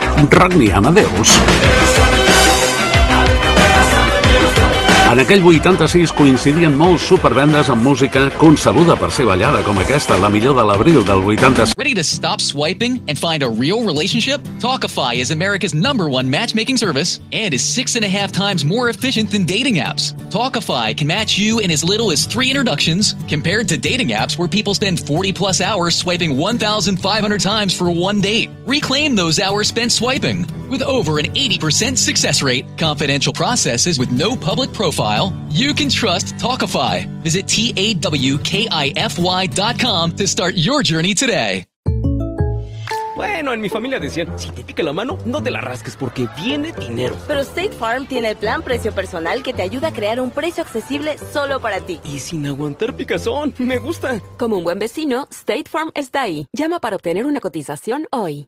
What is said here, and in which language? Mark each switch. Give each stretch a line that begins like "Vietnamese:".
Catalan: Rodney Amadeus. En aquell 86 coincidien molts supervendes amb música concebuda per ser ballada com aquesta, la millor de l'abril del 86.
English: Ready to stop swiping and find a real relationship? Talkify is America's number one matchmaking service and is 6.5 times more efficient than dating apps. Talkify can match you in as little as 3 introductions compared to dating apps where people spend 40 plus hours swiping 1,500 times for one date. Reclaim those hours spent swiping. With over an 80% success rate, confidential processes with no public profile, you can trust Talkify. Visit TAWKIFY.com to start your journey today.
Spanish: Bueno, en mi familia decían, si te pica la mano, no te la rasques porque viene dinero. Pero State Farm tiene el plan precio personal que te ayuda a crear un precio accesible solo para ti. Y sin aguantar picazón, me gusta. Como un buen vecino, State Farm está ahí. Llama para obtener una cotización hoy.